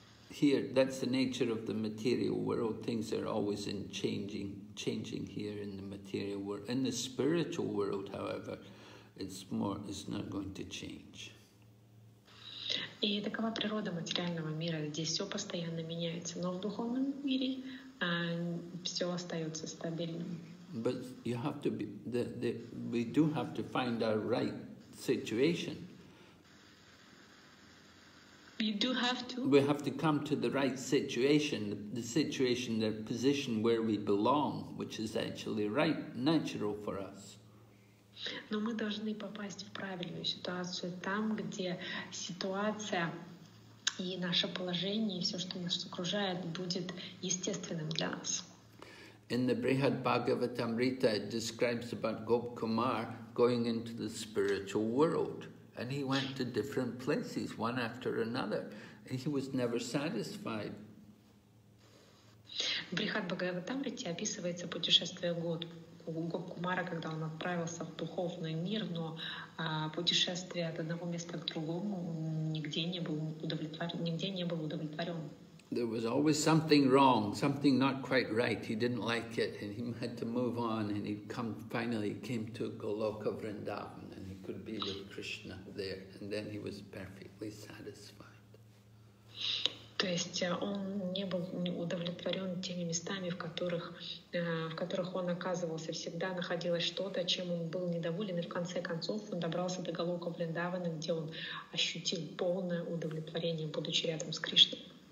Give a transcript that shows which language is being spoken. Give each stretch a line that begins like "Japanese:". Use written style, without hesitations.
English: Here, that's the nature of the material world. Things are always in changing here in the material world. In the spiritual world, however, it's not going to change.
Russian: И такова природа материального мира. Здесь все постоянно меняется. Но в духовном мире все остается стабильным.
English: But you have to be we do have to find our right situation. You do have to. We have to come to the right situation, the situation, the position where we belong, which is actually right, natural for us.
Russian: Но мы должны попасть в правильную ситуацию, там, где ситуация и наше положение, и все, что нас окружает, будет естественным для нас.
English: In the Brihad Bhagavatamrita, it describes about Gop Kumar going into the spiritual world. And he went to different places, one after another, and he was never satisfied.
Russian: В Брихад Бхагаватамрите описывается путешествие Гоп-Кумара, когда он отправился в духовный мир, но путешествие от одного места к другому нигде не было удовлетворен.
English: There was always something wrong, something not quite right. He didn't like it, and he had to move on, and he came to Goloka Vrindavan, and he could be with Krishna there, and then he was perfectly satisfied.
Russian: То есть он не был удовлетворен теми местами, в которых он оказывался. Всегда находилось что-то, чем он был недоволен, и в конце концов он добрался до Голока Вриндавана, где он ощутил полное удовлетворение, будучи рядом с Кришной.